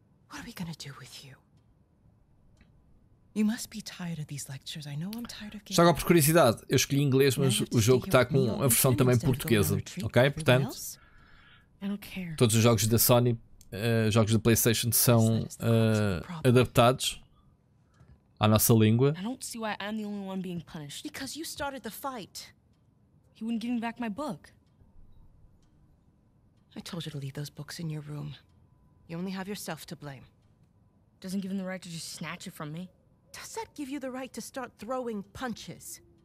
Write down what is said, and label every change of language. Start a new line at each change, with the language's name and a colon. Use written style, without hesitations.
English: What are we gonna do with you? You must be tired of these lectures. I know I'm tired of games.
Portuguese: Só por curiosidade, eu escolhi inglês, mas o jogo está com a versão também portuguesa. Ok? Portanto. Todos os jogos da Sony, jogos da PlayStation são adaptados à nossa língua.
English: I don't see why I'm the only one being punished. Because you started the fight. He wouldn't give me back my book. I told you to leave those books in your room. You only have yourself to blame. Doesn't give him the right to just snatch it from me. Does that give you the right to start throwing punches?